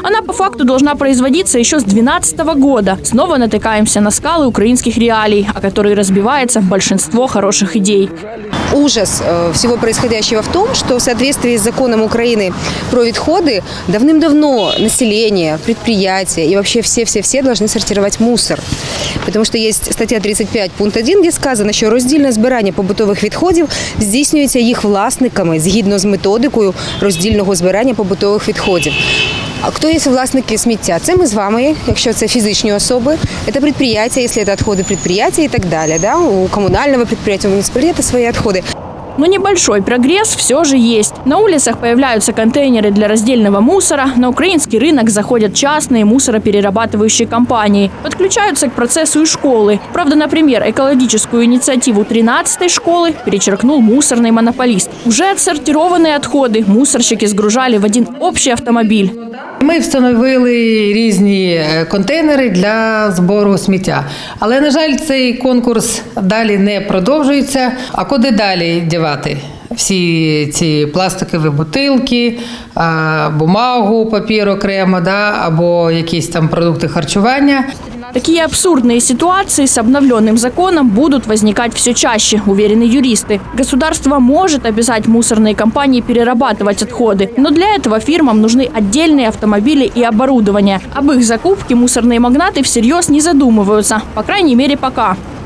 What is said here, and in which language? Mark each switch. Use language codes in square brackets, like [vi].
[ru] Она по факту должна производиться еще с 2012 года. Снова натыкаемся на скалы украинских реалий, о которые разбивается большинство хороших идей. Ужас всего происходящего в том, что в соответствии с законом Украины про отходы давным-давно население, предприятия и вообще все-все-все должны сортировать мусор. Потому что есть статья 35 пункт 1, где сказано, что [uk] роздільне збирання побутових відходів здійснюється їх власниками згідно з методикою роздільного збирання побутових відходів. [ru] А кто есть [uk] власники сміття? Це ми з вами, якщо це фізичні особи, це предприятия, якщо це відходи предприятия і так далі. Да? У комунального предприятия, у муниципалітету свої відходи. [ru] Но небольшой прогресс все же есть. На улицах появляются контейнеры для раздельного мусора, на украинский рынок заходят частные мусороперерабатывающие компании. Подключаются к процессу и школы. Правда, например, экологическую инициативу 13-й школы перечеркнул мусорный монополист. Уже отсортированные отходы мусорщики сгружали в один общий автомобиль. [uk] Ми встановили різні контейнери для збору сміття. Але, на жаль, цей конкурс далі не продовжується. А куди далі дівати всі ці пластикові бутилки, бумагу, папір окремо, да, або якісь там продукти харчування? [ru] Такие абсурдные ситуации с обновленным законом будут возникать все чаще, уверены юристы. Государство может обязать мусорные компании перерабатывать отходы, но для этого фирмам нужны отдельные автомобили и оборудование. Об их закупке мусорные магнаты всерьез не задумываются, по крайней мере пока.